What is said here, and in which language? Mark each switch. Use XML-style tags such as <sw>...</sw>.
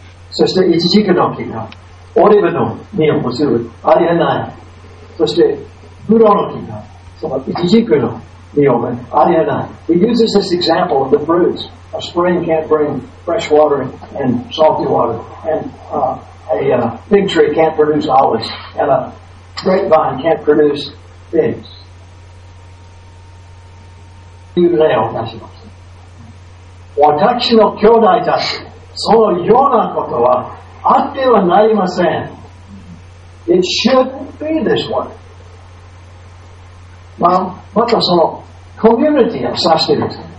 <ja>そして、イチジクの木が、オリーブの実を結ぶ、ありえない。そして、ブドウの木が、そのイチジクの実を結ぶ、ありえない。</ja> <en>He uses this example of the fruits. A spring can't bring fresh water and salty water. And fig tree can't produce olives. And a grapevine can't produce figs.</en> <ja>いう例を出します。私の兄弟たち、そのようなことはあってはなりません。</ja> <en>It shouldn't be this way.</en> <ja>まあ、またそのコミュニティを指しています。</ja>